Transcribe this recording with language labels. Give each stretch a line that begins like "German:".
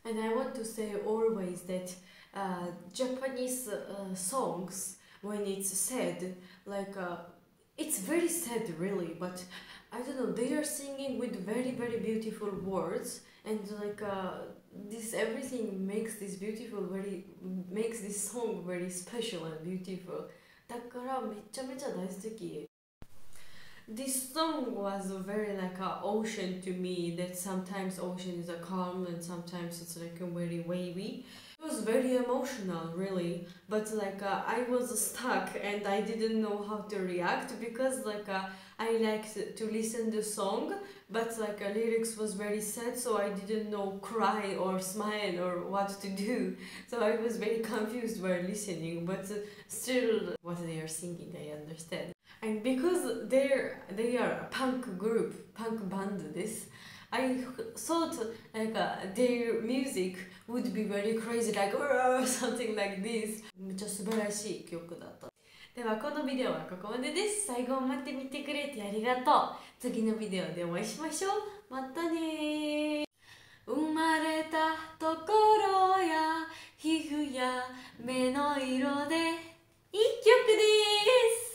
English: And I want to say always that Japanese songs, when it's sad, like it's very sad really, but I don't know, they are singing with very, very beautiful words and like... This everything makes this beautiful, very makes this song very special and beautiful.
Japanese: だからめちゃめちゃ大好き。
English: This song was very like an ocean to me. That sometimes ocean is a calm and sometimes it's like very wavy. It was very emotional, really. But like I was stuck and I didn't know how to react because like I liked to listen the song. But like a lyrics was very sad, so I didn't know cry or smile or what to do. So I was very confused while listening, but still what they are singing, I understand. And because they are a punk group, punk band this, I thought like their music would be very crazy, like something like this.
Japanese: めっちゃ素晴らしい曲だった。ではこのビデオはここまでです。最後まで見てくれてありがとう。次のビデオでお会いしましょう。またね。生まれたところや皮膚や目の色で一曲です。